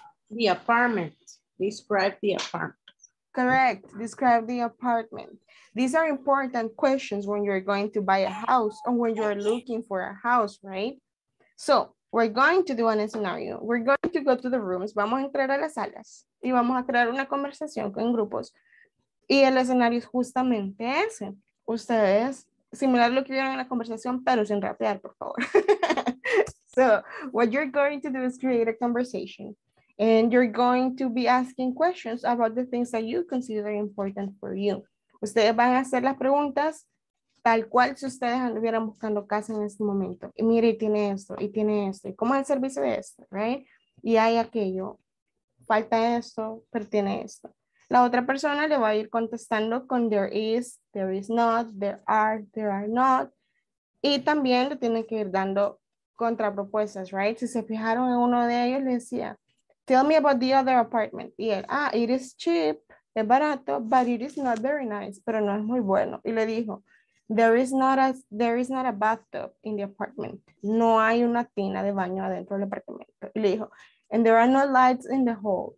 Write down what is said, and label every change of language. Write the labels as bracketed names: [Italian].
[English] The apartment. Describe the apartment. Correct. Describe the apartment. These are important questions when you're going to buy a house or when you're looking for a house, right? So we're going to do a scenario. We're going to go to the rooms. [Spanish] Vamos a entrar a las salas y vamos a crear una conversación con grupos. Y el escenario es justamente ese. Ustedes, similar a lo que vieron en la conversación, pero sin rapear, por favor. [English] So, what you're going to do is create a conversation. And you're going to be asking questions about the things that you consider important for you. [Spanish] Ustedes van a hacer las preguntas tal cual si ustedes anduvieran buscando casa en este momento. Y mire, y tiene esto. ¿Y cómo es el servicio de esto? Right? Y hay aquello. Falta esto, pero tiene esto. La otra persona le va a ir contestando con [English] there is not, there are not. [Spanish] Y también le tiene que ir dando contrapropuestas, right? Si se fijaron en uno de ellos, le decía, [English] tell me about the other apartment. [Spanish] Y él, ah, [English] it is cheap, [Spanish] es barato, [English] but it is not very nice, [Spanish] pero no es muy bueno. Y le dijo, [English] there is not a bathtub in the apartment. [Spanish] No hay una tina de baño adentro del apartamento. Y le dijo, [English] and there are no lights in the hall.